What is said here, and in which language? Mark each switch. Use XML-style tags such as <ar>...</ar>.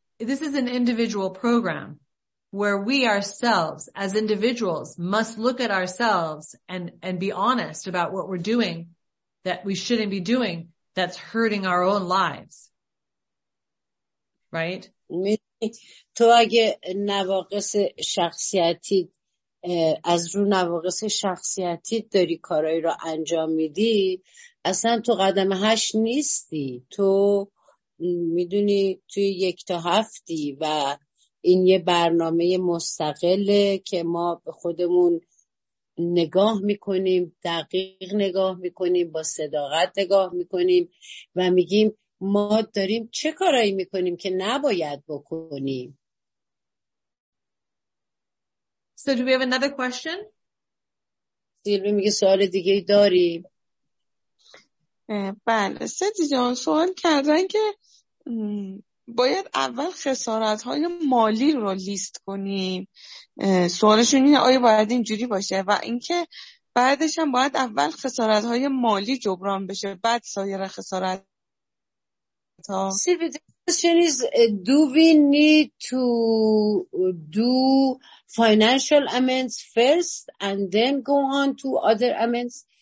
<en>This is an individual program where we ourselves as individuals must look at ourselves and be honest about what we're doing that we shouldn't be doing that's hurting our own lives. Right?</en> <fa>تو اگه نواقص شخصیتی از رو نواقص شخصیتی داری کارهایی رو انجام میدی، اصلا تو قدم 8 نیستی، تو میدونی توی 1-7 و این یه برنامه مستقله که ما به خودمون نگاه میکنیم، دقیق نگاه میکنیم، با صداقت نگاه میکنیم و میگیم ما داریم چه کارایی میکنیم که نباید بکنیم. So do we have another question? سیلوی میگه سوال دیگه داری؟ بله ستی جان، سوال کردن که باید اول خسارت های مالی رو لیست کنیم. سوالشون اینه آیا باید اینجوری باشه و اینکه بعدش هم باید اول خسارت های مالی جبران بشه بعد سایر خسارت</fa> <en>Sylvie, the question is, do we need to do financial amends first and then go on to other amends?</en>